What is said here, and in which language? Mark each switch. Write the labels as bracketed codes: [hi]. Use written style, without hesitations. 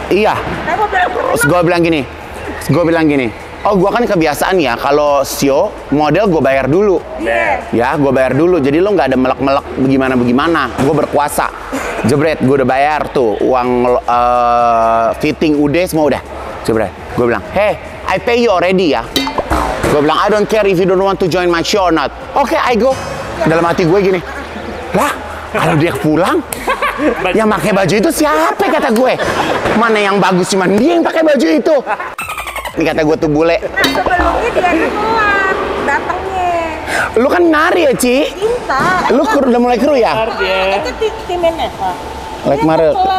[id] Iya. Gue bilang gini. Oh, gue kan kebiasaan ya, kalau sio model gue bayar dulu. Ya, gue bayar dulu. Jadi lo nggak ada melek-melek bagaimana-bagaimana. Gue berkuasa. Jebret, gue udah bayar tuh. Uang fitting udah, semua udah. Jebret. Gue bilang, [en] hey, I pay you already ya. [id] Gue bilang, [en] I don't care if you don't want to join my show or not. Okay, I go. [id] Dalam hati gue gini, lah kalau dia pulang, yang pakai baju itu siapa kata gue? Mana yang bagus cuman dia yang pakai baju itu. Ini kata gue tuh bule. Nah, sebelumnya dia pulang, datangnya. Lu kan nari ya, Ci? Cinta. Lu kru, udah mulai kru ya? Itu timnya apa? Like marah.